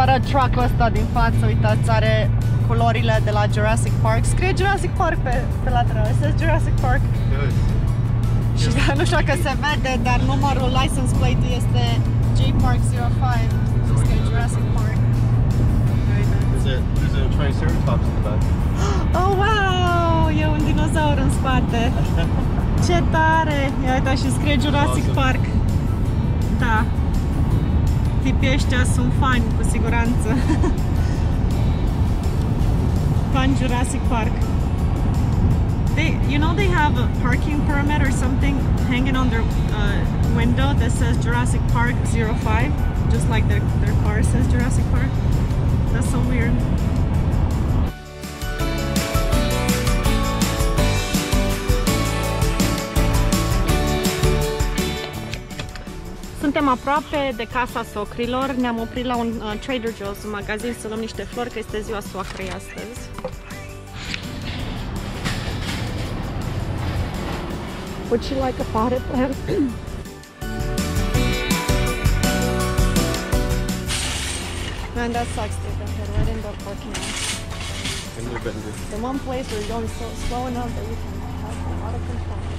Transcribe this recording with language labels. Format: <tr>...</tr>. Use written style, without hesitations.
<ro>Truckul ăsta din față, uitați, are culorile de la Jurassic Park. Scrie Jurassic Park pe lateral.</ro> <en>It says Jurassic Park. Yes.</en> <ro>Și nu știu că se vede, dar numărul</ro> <en>license plate</en> <ro>este J Park 05. Scrie Jurassic Park.</ro> <en>There's a Triceratops in the back.</en> <ro>Oh, wow! E un dinozaur în spate. Ce tare! Ia uita și scrie Jurassic awesome. Park. Da. Tipii ăștia sunt fani, cu siguranță. Fan Jurassic Park.</ro> <en>You know they have a parking permit or something hanging on their window that says Jurassic Park 05? Just like their car says Jurassic Park? That's so weird.</en> <ro>Suntem aproape de casa socrilor, ne-am oprit la un Trader Joe's, un magazin, să luăm niște flori, că este ziua soacrei astăzi.</ro> <en>Would you like a potted plant? Man, that sucks, dude. Right in the parking lot. In your bender. The one place where you're going so slow enough that you can have a lot of control.</en>